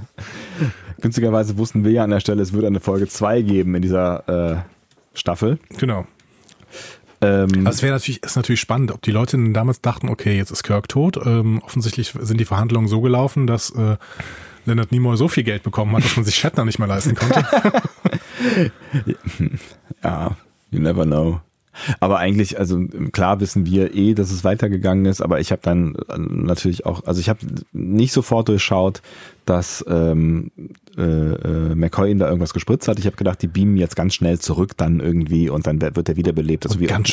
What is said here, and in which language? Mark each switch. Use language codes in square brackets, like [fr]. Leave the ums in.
[de] günstigerweise wussten wir ja an der Stelle, es würde eine Folge 2 geben in dieser äh, Staffel. Genau. Ähm, also es natürlich, ist natürlich spannend, ob die Leute denn damals dachten, okay, jetzt ist Kirk tot. Ähm, offensichtlich sind die Verhandlungen so gelaufen, dass äh, Leonard Nimoy so viel Geld bekommen hat, dass man sich Shatner nicht mehr leisten konnte. [en] ja, you never know. [de] Aber eigentlich, also klar wissen wir eh, dass es weitergegangen ist, aber ich habe dann natürlich auch, also ich habe nicht sofort durchschaut, dass ähm, äh, äh, McCoy ihn da irgendwas gespritzt hat. Ich habe gedacht, die beamen jetzt ganz schnell zurück dann irgendwie und dann wird, wird er wiederbelebt. Also und wie ganz irgendwie.